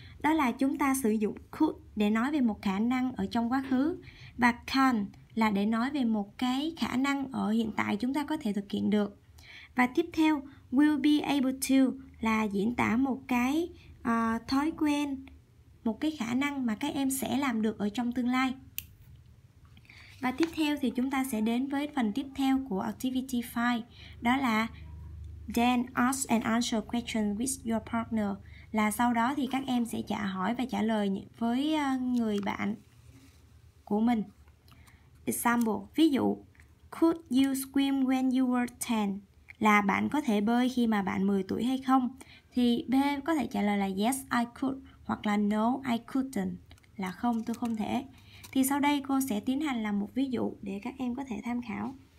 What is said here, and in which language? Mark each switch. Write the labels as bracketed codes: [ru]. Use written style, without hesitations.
[vi] Đó là chúng ta sử dụng could để nói về một khả năng ở trong quá khứ, và can là để nói về một cái khả năng ở hiện tại chúng ta có thể thực hiện được. Và tiếp theo, [en] will be able to [vi] là diễn tả một cái thói quen, một cái khả năng mà các em sẽ làm được ở trong tương lai. Và tiếp theo thì chúng ta sẽ đến với phần tiếp theo của [en] Activity 5. [vi] Đó là [en] then ask and answer questions with your partner. [vi] Là sau đó thì các em sẽ trả hỏi và trả lời với người bạn của mình. [en] Example, [vi] ví dụ, [en] could you swim when you were 10? [vi] Là bạn có thể bơi khi mà bạn 10 tuổi hay không? Thì B có thể trả lời là [en] yes, I could, [vi] hoặc là [en] no, I couldn't, [vi] là không, tôi không thể. Thì sau đây cô sẽ tiến hành làm một ví dụ để các em có thể tham khảo.